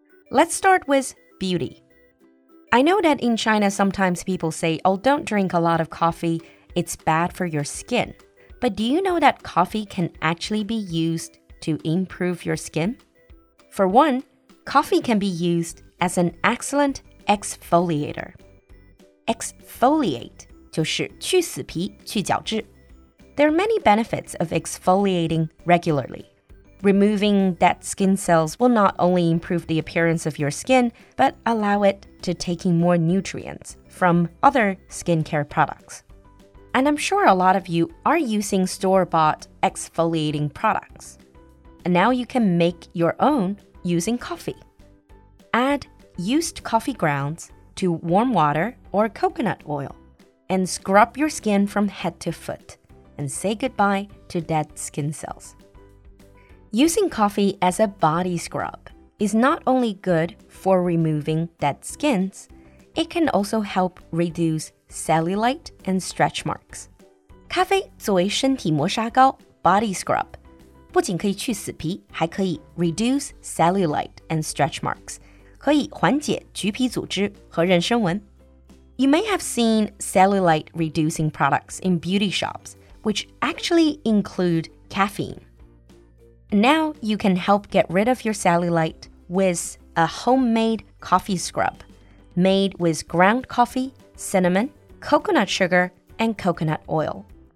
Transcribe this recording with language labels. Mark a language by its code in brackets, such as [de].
[en] Let's start with beauty. I know that in China, sometimes people say, oh, don't drink a lot of coffee,It's bad for your skin. But do you know that coffee can actually be used to improve your skin? For one, coffee can be used as an excellent exfoliator. [zh] Exfoliate 就是去死皮、去角质。 [en] There are many benefits of exfoliating regularly. Removing dead skin cells will not only improve the appearance of your skin, but allow it to take in more nutrients from other skincare products. And I'm sure a lot of you are using store-bought exfoliating products. And now you can make your own using coffee. Add used coffee grounds to warm water or coconut oil and scrub your skin from head to foot and say goodbye to dead skin cells. Using coffee as a body scrub is not only good for removing dead skins, it can also help reduce cellulite and stretch marks. [zh] 咖啡作为身体磨砂膏 body scrub, 不仅可以去死皮还可以 [en] reduce cellulite and stretch marks, [zh] 可以缓解橘皮组织和妊娠纹。 [en] You may have seen cellulite reducing products in beauty shops, which actually include caffeine. Now you can help get rid of your cellulite with a homemade coffee scrub made with ground coffee, cinnamon,coconut sugar, and coconut oil.